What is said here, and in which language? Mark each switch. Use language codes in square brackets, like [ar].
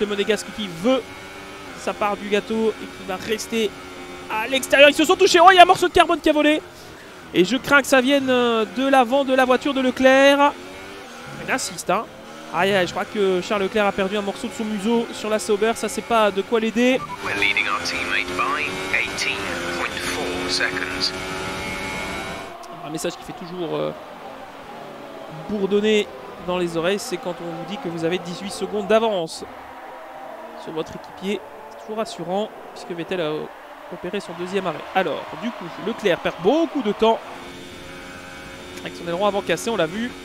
[fr] Le Monégasque qui veut sa part du gâteau et qui va rester à l'extérieur. Ils se sont touchés. Oh, il y a un morceau de carbone qui a volé. Et je crains que ça vienne de l'avant de la voiture de Leclerc. Il insiste. Hein. Ah, yeah, je crois que Charles Leclerc a perdu un morceau de son museau sur la Sauber. Ça, c'est pas de quoi l'aider. [en] We're leading our teammate by 18.4 seconds. [fr] Un message qui fait toujours bourdonner dans les oreilles, c'est quand on vous dit que vous avez 18 secondes d'avance sur votre équipier. C'est toujours rassurant, puisque Vettel a opéré son deuxième arrêt. Alors, du coup, Leclerc perd beaucoup de temps avec son aileron avant cassé, on l'a vu.